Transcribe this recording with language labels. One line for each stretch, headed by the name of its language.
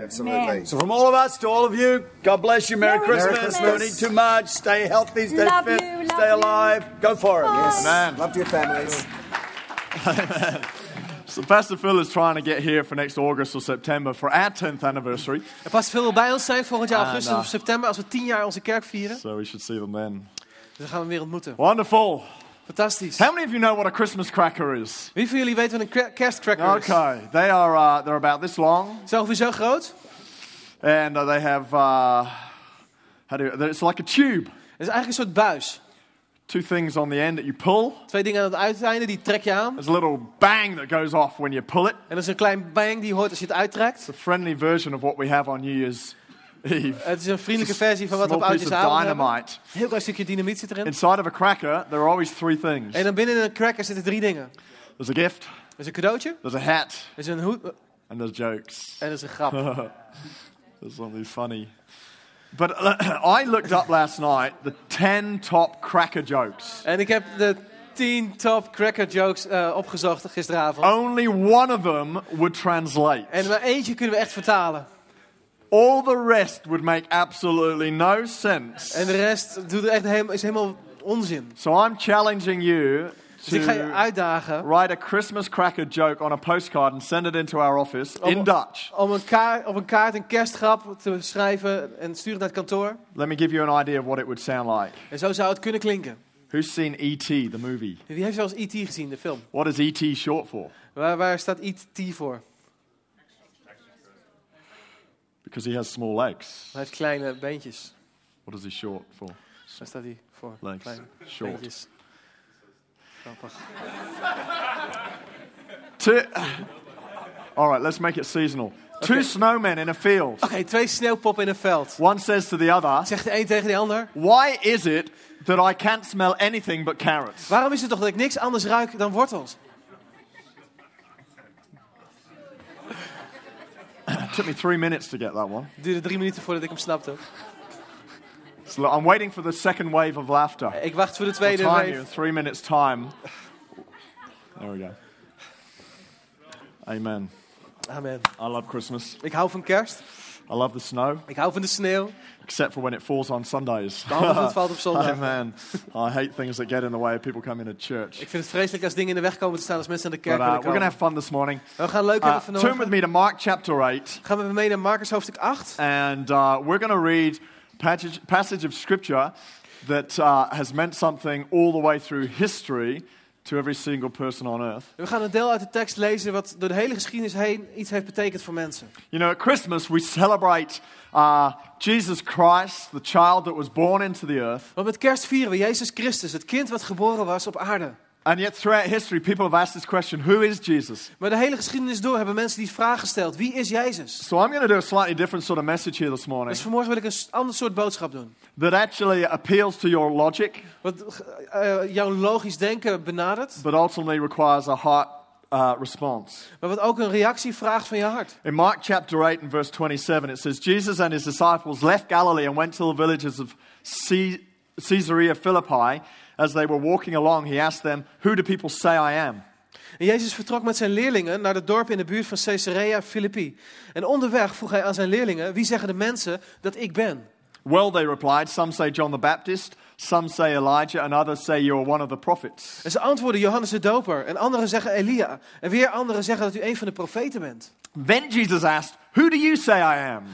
English: Yes. Absolutely. So from all of us to all of you, God bless you. Merry Christmas. Don't eat too much. Stay healthy. Stay love fit. You, stay alive. You. Go for it. Yes. Yes. Amen. Love to your families. So Pastor Phil is trying to get here for next August or September for our 10th anniversary.
Dutch: Pastor Phil
English: will be with us
Dutch: volgend jaar augustus of september als we 10 jaar onze kerk vieren.
English: So we should see them then.
Dutch: Dan gaan we weer ontmoeten.
English: Wonderful.
Dutch: Fantastisch.
English: How many of you know what a Christmas cracker is?
Dutch: Wie van jullie weet wat een kerstcracker is?
English: Okay, they are they're about this long.
Dutch: Zo ongeveer zo groot.
English: And they have it's like a tube.
Dutch: Het is eigenlijk een soort buis.
English: Two things on the end that you pull.
Dutch: Twee dingen aan het uiteinde die trek je aan.
English: There's a little bang that goes off when you pull it.
Dutch: En er is een klein bang die hoort als je het uittrekt.
English: It's a friendly version of what we have on New Year's.
Dutch: Het is een vriendelijke versie van wat op oudjes hebben. Heel klein stukje dynamiet zit erin.
English: Inside of a cracker, there are always three things.
Dutch: En dan binnen een cracker zitten drie dingen.
English: There's a gift.
Dutch: Er is een cadeautje.
English: There's a hat.
Dutch: Er is een hoed.
English: And there's jokes.
Dutch: En er is een grap.
English: There's something funny. But I looked up last night the 10 top cracker jokes.
Dutch: En ik heb de 15 top cracker jokes opgezocht gisteravond.
English: Only one of them would translate.
Dutch: En maar eentje kunnen we echt vertalen.
English: All the rest would make absolutely no sense.
Dutch: En de rest doet echt is helemaal onzin.
English: So I'm challenging you.
Dutch: Dus ik ga je uitdagen.
English: Write a Christmas cracker joke on a postcard and send it into our office in Dutch.
Dutch: Op een kaart een kerstgrap te schrijven en sturen naar het kantoor.
English: Let me give you an idea of what it would sound like.
Dutch: En zo zou het kunnen klinken.
English: Who's seen E.T. the movie?
Dutch: Wie heeft zelfs E.T. gezien, de film?
English: What is E.T. short for?
Dutch: Waar staat E.T. voor?
English: Because he has small legs.
Dutch: Hij heeft kleine beentjes.
English: What is he short for?
Dutch: Waar staat hij voor?
English: Legs.
Dutch: Kleine
English: short.
Dutch: Beentjes.
English: All right, let's make it seasonal. Okay. Two snowmen in a field.
Dutch: Okay, twee sneeuwpoppen in een veld.
English: One says to the other.
Dutch: Zegt de een tegen de ander.
English: Why is it that I can't smell anything but carrots?
Dutch: Waarom is het toch dat ik niks anders ruik dan wortels?
English: It took me 3 minutes to get that one.
Dutch: Duurde 3 minuten voordat ik hem snapte.
English: I'm waiting for the second wave of laughter.
Dutch: Ik wacht voor de tweede
English: wave. You in 3 minutes time. There we go. Amen. Amen. I love Christmas.
Dutch: Ik hou van kerst.
English: I love the snow.
Dutch: Ik hou van de sneeuw.
English: Except for when it falls on Sundays.
Dutch: Behalve als het valt op zondag.
English: Amen. I hate things that get in the way of people coming to church.
Dutch: Ik vind het vreselijk als dingen in de weg komen te staan als mensen naar de kerk komen.
English: We're going to have fun this morning.
Dutch: We gaan leuk hebben vanochtend.
English: Turn with me to Mark chapter 8.
Dutch: Gaan we mee naar Markus hoofdstuk 8.
English: And we're going to read passage of scripture that has meant something all the way through history to every single person on earth.
Dutch: We gaan een deel uit de tekst lezen wat door de hele geschiedenis heen iets heeft betekend voor mensen.
English: You know, at Christmas we celebrate Jesus Christ, the child that was born into the earth.
Dutch: Want met kerst vieren we Jezus Christus, het kind wat geboren was op aarde.
English: And yet throughout history people have asked this question, who is Jesus?
Dutch: Maar de hele geschiedenis door hebben mensen die vraag gesteld, wie is Jezus?
English: So I'm going to do a slightly different sort of message here this morning.
Dutch: Dus vanmorgen wil ik een ander soort boodschap doen.
English: That actually appeals to your logic.
Dutch: Wat jouw logisch denken benadert.
English: But ultimately requires a heart response.
Dutch: Maar wat ook een reactie vraagt van je hart.
English: In Mark chapter 8 and verse 27 it says, Jesus and his disciples left Galilee and went to the villages of Caesarea Philippi. As they were walking along, he asked them, "Who do people say I am?"
Dutch: En Jezus vertrok met zijn leerlingen naar het dorp in de buurt van Caesarea Philippi. En onderweg vroeg hij aan zijn leerlingen, "Wie zeggen de mensen dat ik ben?"
English: Well, they replied, "Some say John the Baptist, some say Elijah, and others say you are one of the prophets."
Dutch: En ze antwoordden Johannes de Doper, en anderen zeggen Elia, en weer anderen zeggen dat u een van de profeten bent.
English: Then Jesus asked, "Who do you say I am?"